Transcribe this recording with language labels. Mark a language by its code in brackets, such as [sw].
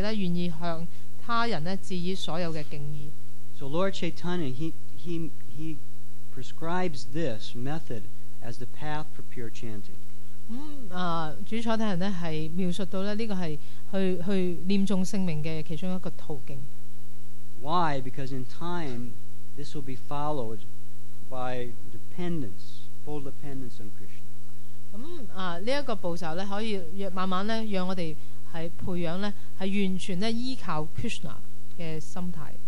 [zh] 所以在主宰坦爺的八分規第三個師節講到,他說,要認為一個人比一根稻草還要謙卑,比一棵樹還要寬容,忍受,沒有絲毫的虛榮感,隨時願意向他人致以所有的敬意。 [en] So Lord Chaitanya, he prescribes this method as the path for pure chanting. [zh] 主宰坦人是描述到这个是去念诵圣名的其中一个途径。 [en] Why? Because in time, this will be followed by dependence, full dependence on Krishna. [zh] 这个步骤可以慢慢让我们培养完全依靠 Krishna的心态。